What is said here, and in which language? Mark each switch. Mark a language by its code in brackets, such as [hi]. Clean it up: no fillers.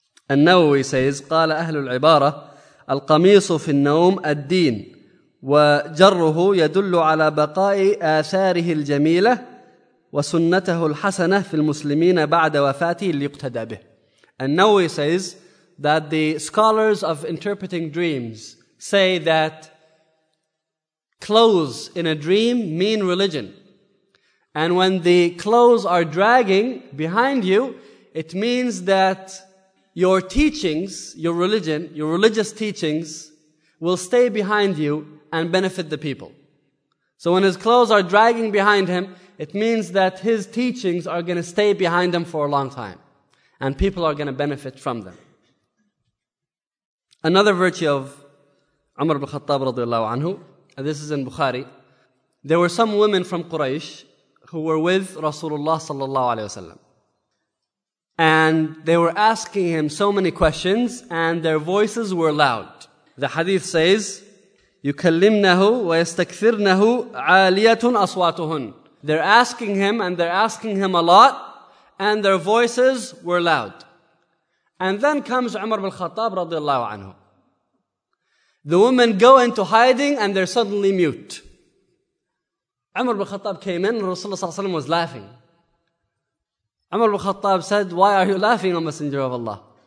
[ar] النووي [en] says, [ar] قال أهل العبارة القميص في النوم الدين وجره يدل على بقاء آثاره الجميلة وسنته الحسنة في المسلمين بعد وفاته ليقتدى به. [en] النووي says that the scholars of interpreting dreams say that clothes in a dream mean religion. And when the clothes are dragging behind you, it means that your teachings, your religion, your religious teachings will stay behind you and benefit the people. So when his clothes are dragging behind him, it means that his teachings are going to stay behind him for a long time. And people are going to benefit from them. Another virtue of Umar ibn Khattab رضي الله عنه, and this is in Bukhari. There were some women from Quraysh who were with Rasulullah sallallahu alayhi wasallam. And they were asking him so many questions and their voices were loud. The hadith says, [ar] يُكَلِّمْنَهُ وَيَسْتَكْثِرْنَهُ عَالِيَةٌ أَصْوَاتُهُنْ. [en] They're asking him and they're asking him a lot and their voices were loud. And then comes Umar ibn Khattab radiallahu anhu. The women go into hiding and they're suddenly mute. Umar ibn Khattab came in and Rasulullah sallallahu alayhi wa sallam was laughing. Umar ibn Khattab said, why are you laughing, O Messenger of Allah?